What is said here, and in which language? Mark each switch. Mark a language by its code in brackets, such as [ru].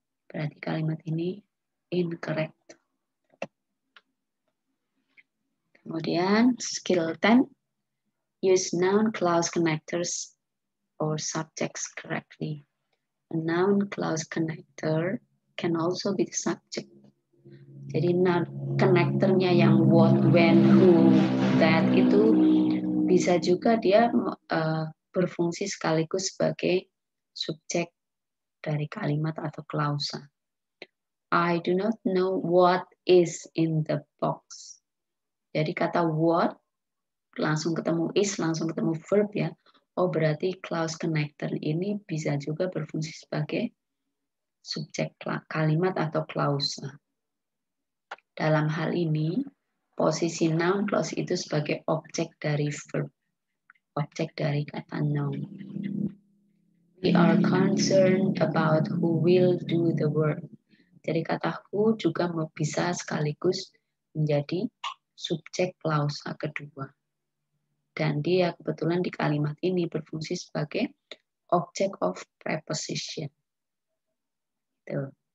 [id] Berarti kalimat ini incorrect. Kemudian, [en] skill 10. Use noun clause connectors or subjects correctly. A noun clause connector can also be the subject. [id] Jadi, noun connector-nya yang what, when, who, that itu bisa juga dia berfungsi sekaligus sebagai subjek dari kalimat atau klausa. [en] I do not know what is in the box. [id] Jadi kata what langsung ketemu is, langsung ketemu verb ya. Oh, berarti clause connector ini bisa juga berfungsi sebagai subjek kalimat atau klausa. Dalam hal ini, posisi noun clause itu sebagai objek dari verb. Objek dari kata noun. [en] We are concerned about who will do the work. [id] Jadi kata who juga bisa sekaligus menjadi subjek klausa kedua. Dan dia kebetulan di kalimat ini berfungsi sebagai object of preposition. Tuh.